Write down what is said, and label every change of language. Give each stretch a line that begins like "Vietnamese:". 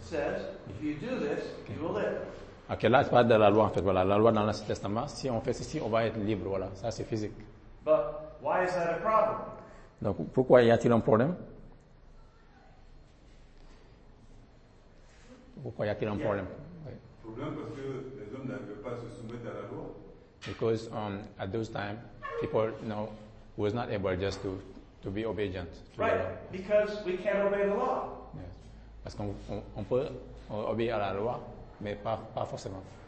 English: Says, if you do this, okay. You will live.
French: Okay, là, c'est pas de la loi, en fait, voilà. La loi dans l'Ancien Testament, si on fait ceci, on va être libre, voilà. Ça, c'est physique.
English: But why is that a problem?
French: Donc, pourquoi y a-t-il un problème? Pourquoi y a-t-il un problème? Problème parce que les hommes n'arrivaient pas à se soumettre à la loi.
English: Because at those times, people, you know, was not able just to be obedient. Right, because we can't obey the law. Yes.
French: Parce qu'on peut obéir à la loi, mais pas forcément.